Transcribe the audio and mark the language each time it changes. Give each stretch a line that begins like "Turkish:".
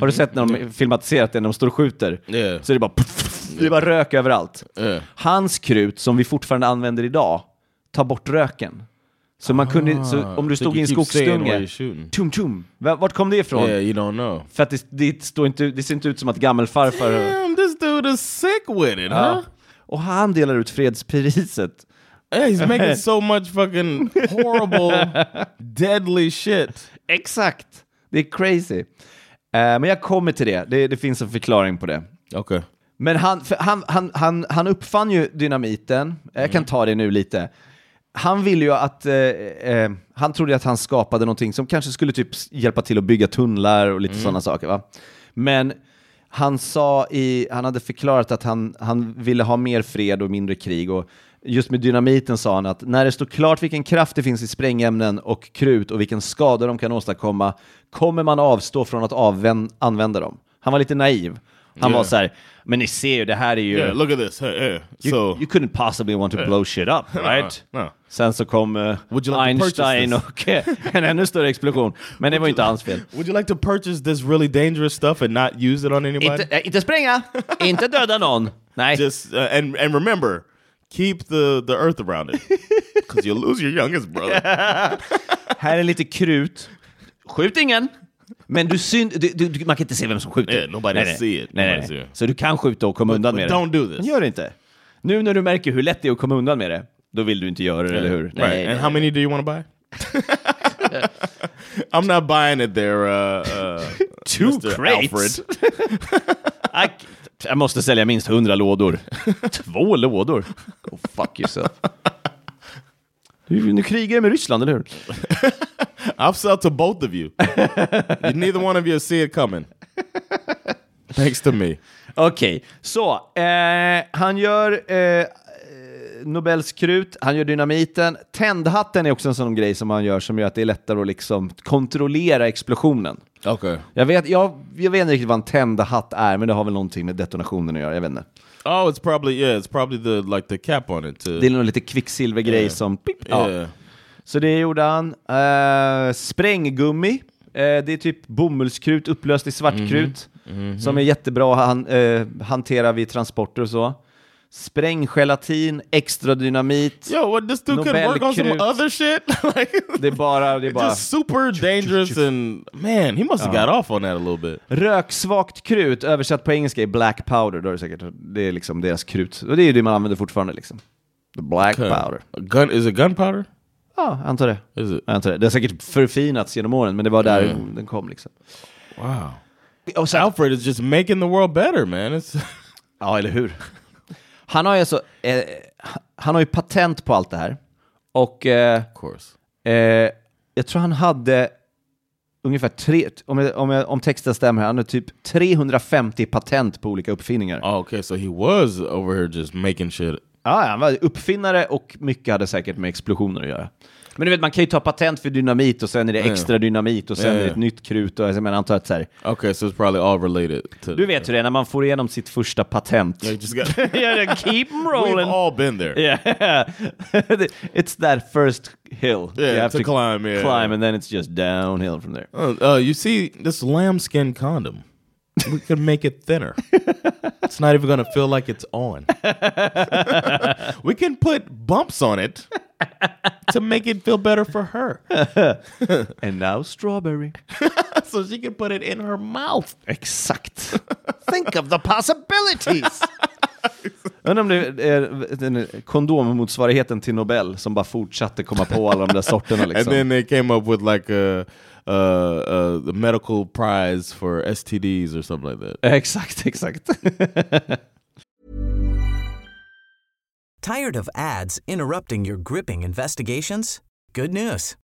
Swedish: Har du sett när de filmatiserat det, när de står och skjuter?
English: Yeah.
Swedish: Så är det bara puff. Det bara rök överallt. Hans krut som vi fortfarande använder idag tar bort röken. Så man kunde, så om du stod i en skogsstunge, tum tum. Vart kom det ifrån?
English: Yeah, you don't know.
Swedish: För att det står inte, det ser inte ut som att gammal farfar.
English: Damn, this dude is sick with it, huh?
Swedish: Och han delar ut fredspriset.
English: Yeah, he's making so much fucking horrible deadly shit.
Swedish: Exakt. Det är crazy. Men jag kommer till det. Det finns en förklaring på det. Okej.
English: Okay.
Swedish: Men han uppfann ju dynamiten. Jag kan ta det nu lite. Han ville ju att han trodde att han skapade någonting som kanske skulle typ hjälpa till att bygga tunnlar och lite sådana saker, va. Men han sa i, han hade förklarat att han ville ha mer fred och mindre krig, och just med dynamiten sa han att när det står klart vilken kraft det finns i sprängämnen och krut och vilken skada de kan åstadkomma, kommer man avstå från att använda dem. Han var lite naiv. Han var såhär, men ni ser ju, det här är ju...
English: Yeah, look at this. Hey, hey. You, so, you couldn't possibly want to blow shit up, right? No.
Swedish: Sen så kom Einstein och en ännu större explosion. Men det var ju inte hans fel.
English: Would you like to purchase this really dangerous stuff and not use it on anybody?
Swedish: Inte springa! Inte döda någon! Nej.
English: Just, and remember, keep the earth around it. Because you'll lose your youngest brother.
Swedish: Här är lite krut. Skjut ingen! Men du man kan inte se vem som skjuter.
English: Yeah, nobody
Swedish: nej,
English: see it.
Swedish: Nej,
English: nobody
Swedish: nej. Så du kan skjuta och komma undan med
English: don't
Swedish: det.
English: Don't do this.
Swedish: Gör det inte. Nu när du märker hur lätt det är att komma undan med det, då vill du inte göra det, eller hur?
English: Right. Nej, and nej, how many do you want to buy? I'm not buying it there, two crates. Alfred.
Swedish: I måste sälja minst 100 lådor. 2 lådor.
English: Go fuck yourself.
Swedish: Nu krigar jag med Ryssland, eller hur?
English: I've sold to both of you. Neither one of you see it coming. Thanks to me.
Swedish: Okej,
English: okay.
Swedish: Så. Han gör Nobels krut. Han gör dynamiten. Tändhatten är också en sån grej som han gör som gör att det är lättare att liksom kontrollera explosionen. Okej.
English: Okay.
Swedish: Jag vet inte riktigt vad en tändhatt är, men det har väl någonting med detonationen att göra. Jag vet inte.
English: Oh, it's probably, yeah, it's probably the, like, the cap on it, too.
Swedish: Det är nog lite kvicksilvergrej som... Pip,
English: yeah.
Swedish: Ja. Så det gjorde han. Spränggummi. Det är typ bomullskrut upplöst i svartkrut. Mm-hmm. Som är jättebra att hantera vid transporter och så. Spränggelatin, extra dynamit.
English: Yo, what, this dude could work on some other shit? Det är bara... Det är bara... Just super dangerous and... Man, he must have got off on that a little bit.
Swedish: Röksvagt krut, översatt på engelska, är black powder. Då är det, säkert, det är liksom deras krut. Och det är ju det man använder fortfarande, liksom.
English: The black powder. Gun, is it gunpowder?
Swedish: Ja, antar det.
English: Is it?
Swedish: Antar det. Det har säkert förfinats genom åren, men det var där den kom liksom.
English: Wow.
Swedish: Och så
English: Alfred is just making the world better, man. It's...
Swedish: Ja, eller hur? Han har ju alltså, han har ju patent på allt det här. Och
English: of course.
Swedish: Jag tror han hade ungefär tre, om texten stämmer, han hade typ 350 patent på olika uppfinningar.
English: Oh, okay, so he was over here just making shit.
Swedish: Ja, han var uppfinnare och mycket hade säkert med explosioner att göra. Men du vet, man kan ju ta patent för dynamit och sen är det extra dynamit och sen är det ett nytt krut. Och, men antar att så här...
English: Okay, so it's probably all related to...
Swedish: Du vet hur det är, när man får igenom sitt första patent.
English: Yeah, you just got... yeah, keep rolling. We've all been there. Yeah. It's that first hill. Yeah, you have to climb, yeah. Climb, and then it's just downhill from there. You see this lambskin condom. We could make it thinner. It's not even going to feel like it's on. We can put bumps on it to make it feel better for her. And now strawberry. So she can put it in her mouth.
Swedish: Exakt.
English: Think of the possibilities.
Swedish: Jag undrar om det är en kondommotsvarigheten till Nobel som bara fortsatte komma på alla de där sorterna. Liksom.
English: And then they came up with like the medical prize for STDs or something like that.
Swedish: Exakt, exakt.
English: Tired of ads interrupting your gripping investigations? Good news.